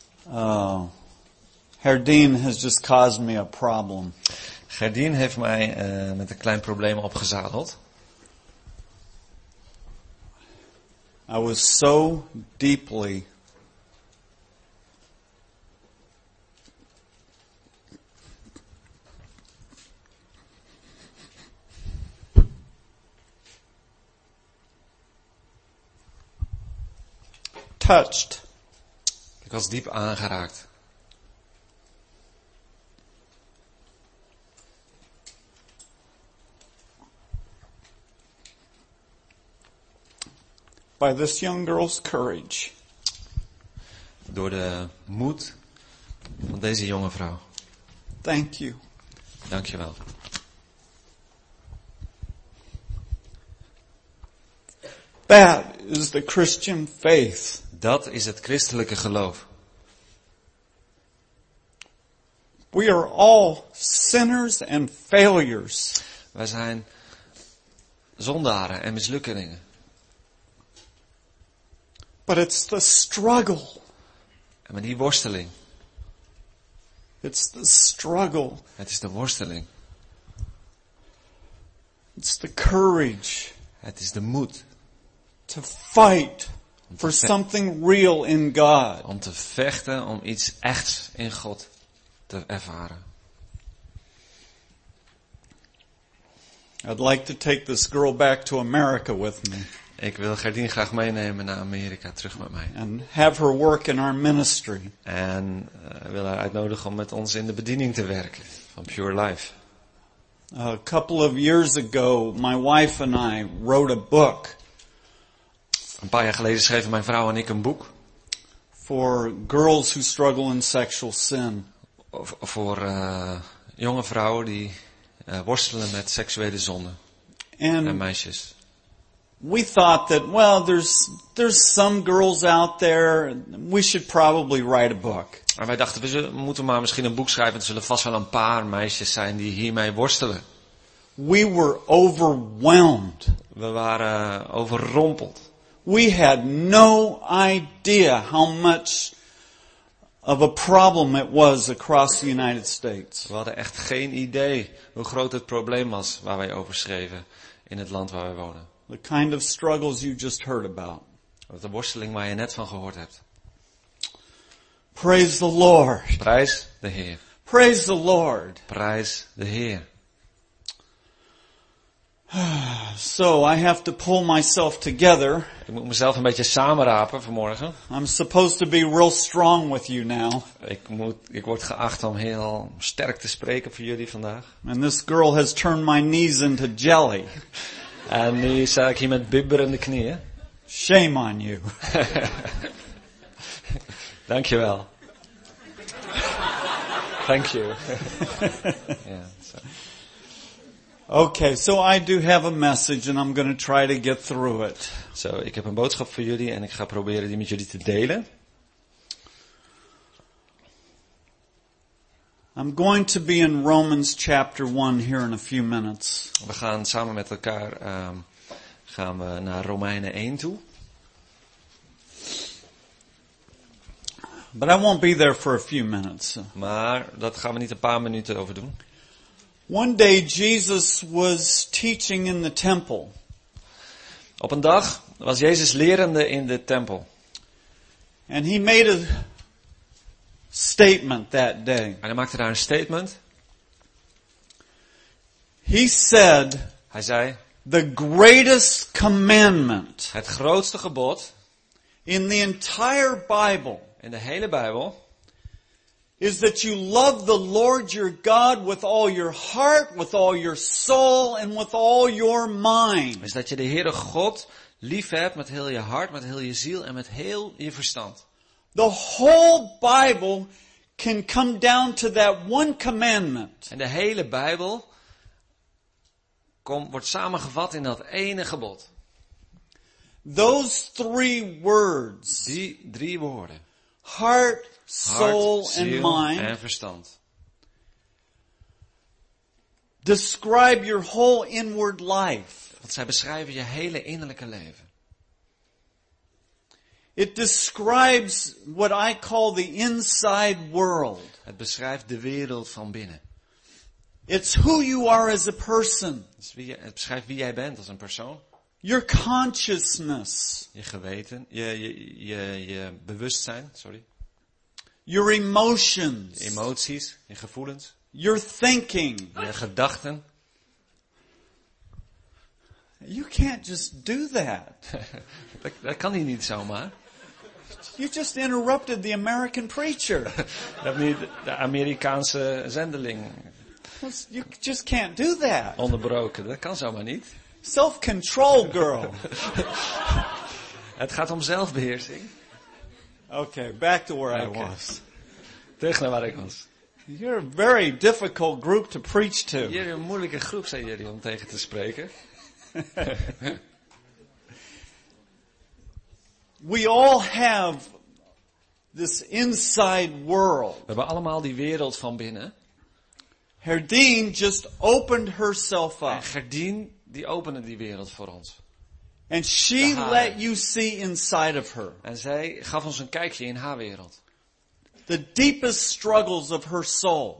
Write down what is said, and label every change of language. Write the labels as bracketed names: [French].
[English] Oh, Gerdien has just caused me a problem. [Dutch] Gerdien heeft mij met een klein probleem opgezadeld. [English] I was so deeply touched. [Dutch] Ik was diep aangeraakt. [English] By this young girl's courage. [Dutch] Door de moed van deze jonge vrouw. [English] Thank you. [Dutch] Dankjewel. [English] That is the Christian faith. [Dutch] Dat is het christelijke geloof. [English] We are all sinners and failures. [Dutch] Wij zijn zondaren en mislukkelingen. [English] But it's the struggle. [Dutch] En met die worsteling. [English] It's the struggle. [Dutch] Het is de worsteling. [English] It's the courage. [Dutch] Het is de moed. [English] To fight for something real in God. [Dutch] Om te vechten om iets echts in God te ervaren. [English] I'd like to take this girl back to America with me. [Dutch] Ik wil Gerdien graag meenemen naar Amerika, terug met mij. [English] And have her work in our ministry. [Dutch] En wil haar uitnodigen om met ons in de bediening te werken van Pure Life. [English] A couple of years ago, my wife and I wrote a book. [Dutch] Een paar jaar geleden schreven mijn vrouw en ik een boek. [English] For girls who struggle in sexual sin. [Dutch] Voor jonge vrouwen die worstelen met seksuele zonde. En meisjes. [English] We thought that, well, there's some girls out there, we should probably write a book. [Dutch] En wij dachten, we moeten maar misschien een boek schrijven, er zullen vast wel een paar meisjes zijn die hiermee worstelen. [English] We were overwhelmed. [Dutch] We waren overrompeld. [English] We had no idea how much of a problem it was across the United States. [Dutch] We hadden echt geen idee hoe groot het probleem was waar wij over schreven in het land waar wij wonen. [English] The kind of struggles you just heard about. [Dutch] De worsteling waar je net van gehoord hebt. [English] Praise the Lord. [Dutch] Prijs de Heer. [English] Praise the Lord. [Dutch] Prijs de Heer. [English] So I have to pull myself together. [Dutch] Ik moet mezelf een beetje samenrapen vanmorgen. [English] I'm supposed to be real strong with you now. [Dutch] Ik word geacht om heel sterk te spreken voor jullie vandaag. [English] And this girl has turned my knees into jelly. [Dutch] En nu sta ik hier met bibberende knieën. [English] Shame on you. [Dutch] Dankjewel. [English] Thank you. Okay, so I do have a message and I'm going to try to get through it. [Dutch] So, ik heb een boodschap voor jullie en ik ga proberen die met jullie te delen. [English] I'm going to be in Romans chapter 1 here in a few minutes. [Dutch] We gaan samen met elkaar gaan we naar Romeinen 1 toe. [English] But I won't be there for a few minutes. [Dutch] Maar dat gaan we niet een paar minuten over doen. [English] One day Jesus was teaching in the temple. [Dutch] Op een dag was Jezus lerende in de tempel. [English] And he made a statement that day. [Dutch] En hij maakte daar een statement. [English] He said, [Dutch] hij zei, [English] the greatest commandment. [Dutch] Het grootste gebod [English] in the entire Bible. [Dutch] In de hele Bijbel. [English] Is that you love the Lord your God with all your heart, with all your soul, and with all your mind. [Dutch] Is dat je de Heere God lief hebt met heel je hart, met heel je ziel en met heel je verstand. [English] The whole Bible can come down to that one commandment. [Dutch] En de hele Bijbel wordt samengevat in dat ene gebod. [English] Those three words. [Dutch] Die drie woorden. [English] Heart, soul, and mind. [Dutch] Hart, ziel en verstand. [English] Describe your whole inward life. [Dutch] Want zij beschrijven je hele innerlijke leven. [English] It describes what I call the inside world. [Dutch] Het beschrijft de wereld van binnen. [English] It's who you are as a person. [Dutch] Het beschrijft wie jij bent als een persoon. [English] Your consciousness. [Dutch] Je geweten, je bewustzijn, sorry. [English] Your emotions. [Dutch] Je emoties, je gevoelens. [English] Your thinking. [Dutch] Je gedachten. [English] You can't just do that. [Dutch] Dat kan hij niet zomaar. [English] You just interrupted the American preacher. [Dutch] De Amerikaanse zendeling. [English] You just can't do that. [Dutch] Onderbroken, dat kan zomaar niet. [English] Self-control, girl. [Dutch] Het gaat om zelfbeheersing. [English] Okay, back to where I was. [Dutch] Terug naar waar ik was. [English] You're a very difficult group to preach to. [Dutch] Jullie een moeilijke groep zijn jullie om tegen te spreken. [English] We all have this inside world. [Dutch] We hebben allemaal die wereld van binnen. [English] Gerdien just opened herself up. [Dutch] En Gerdien die opende die wereld voor ons. [English] And she let you see inside of her. [Dutch] En zij gaf ons een kijkje in haar wereld. [English] The deepest struggles of her soul.